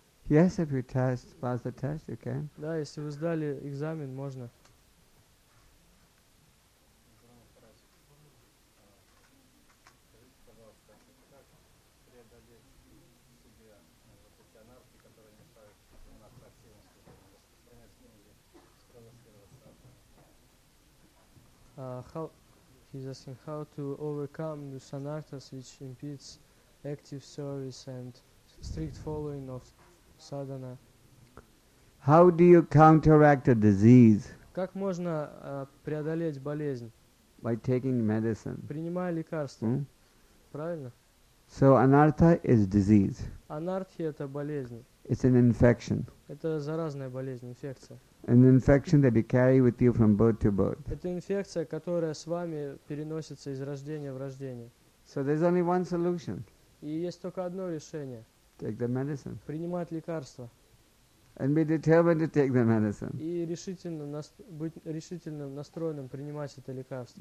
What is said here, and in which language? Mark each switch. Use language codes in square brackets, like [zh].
[en] Yes, if you test, pass the test, you can. [ru] Да, если вы сдали экзамен, можно. [en] How he's asking how to overcome the sanartas which impedes active service and strict following of sadhana. How do you counteract a disease? [ru] Как можно преодолеть болезнь? [en] By taking medicine. [ru] Принимая лекарства. Правильно? [en] So anartha is disease. [ru] Анартхи это болезнь. [en] It's an infection. [ru] Это заразная болезнь, инфекция. [en] An infection that you carry with you from birth to birth. [ru] Это инфекция, которая с вами переносится из рождения в рождение. [en] So there's only one solution. [ru] И есть только одно решение. [en] Take the medicine. [ru] Принимать лекарства. [en] And be determined to take the medicine. [ru] И решительно быть решительным настроенным принимать это лекарство.